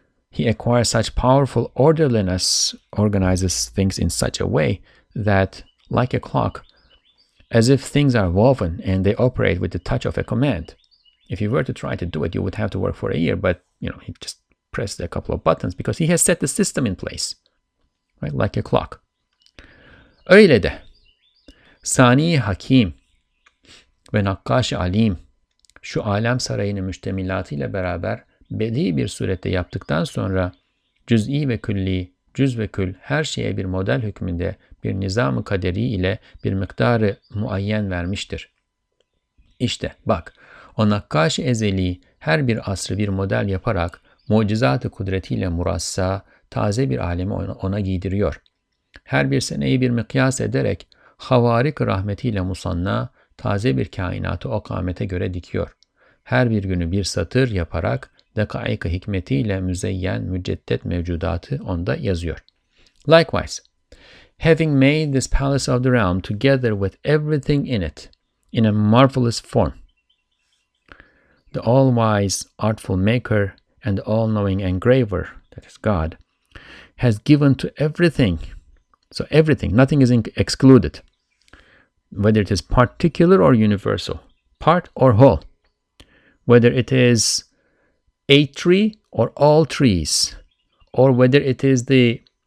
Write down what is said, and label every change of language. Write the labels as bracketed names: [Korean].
[English] He acquires such powerful orderliness, organizes things in such a way that, like a clock, as if things are woven and they operate with the touch of a command. If you were to try to do it, you would have to work for a year, but, you know, he just pressed a couple of buttons because he has set the system in place, right? Like a clock. [Turkish] Öyle de. Sani Hakim ve Nakkaş-ı Alim şu alem sarayını müştemilatıyla beraber bedi bir surette yaptıktan sonra cüz'i ve külli, cüz ve kül her şeye bir model hükmünde bir nizam-ı kaderi ile bir miktarı muayyen vermiştir. İşte bak, o nakkaş-ı ezeli her bir asrı bir model yaparak mucizat-ı kudretiyle murassa, taze bir alemi ona giydiriyor. Her bir seneyi bir mikyas ederek havarik rahmetiyle musanna, taze bir kainatı o kamete göre dikiyor. Her bir günü bir satır yaparak dekaik-ı hikmetiyle müzeyyen müceddet mevcudatı onda yazıyor. [English] Likewise, having made this palace of the realm together with everything in it, in a marvelous form, the all-wise, artful maker and the all-knowing engraver, that is God, has given to everything, so everything, nothing is excluded, whether it is particular or universal, part or whole, whether it is a tree or all trees, or whether it is the